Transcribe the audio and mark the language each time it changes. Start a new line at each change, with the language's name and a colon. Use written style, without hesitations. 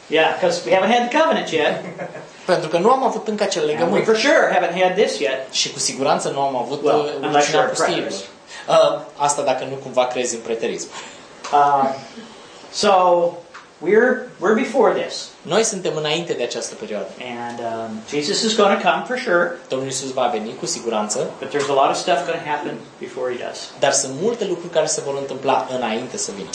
English: Yeah, because we haven't had the covenant yet.
Romanian: Pentru că nu am avut încă acel legământ.
English: For sure, haven't had this yet.
Romanian: Și cu siguranță nu am avut urciunea pustiilor. Asta dacă nu cumva crezi în preterism.
English: So we're before this.
Romanian: Noi suntem înainte de această perioadă.
English: And Jesus is going to come for sure.
Romanian: Domnul Iisus va veni cu siguranță.
English: But there's a lot of stuff going to happen before he does.
Romanian: Dar sunt multe lucruri care se vor întâmpla înainte să vină.